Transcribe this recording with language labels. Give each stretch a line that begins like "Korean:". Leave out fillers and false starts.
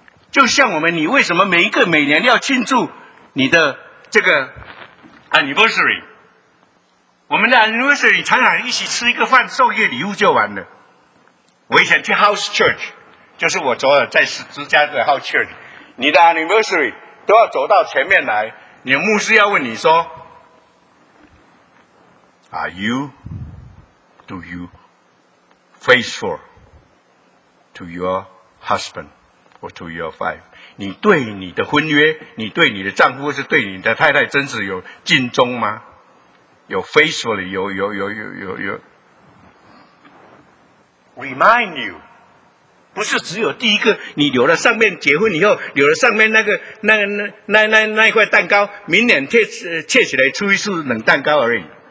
Chinese: 就像我们，你为什么每一个每年要庆祝你的这个Anniversary， 我们的 Anniversary 常常一起吃一个饭，送一个礼物就完了。我以前去 House Church， 就是我昨天在芝加哥 House Church， 你的 Anniversary 都要走到前面来，你的牧师要问你说 ：
English: “Are you? Do you faithful to your husband or to your wife？”
Chinese: 你对你的婚约，你对你的丈夫，或是对你的太太，真是有尽忠吗？有 faithfully， 有。
English: Remind you，
Chinese: 不是只有第一个，你留了上面结婚以后，留了上面那块蛋糕，明年切起来出一次冷蛋糕而已。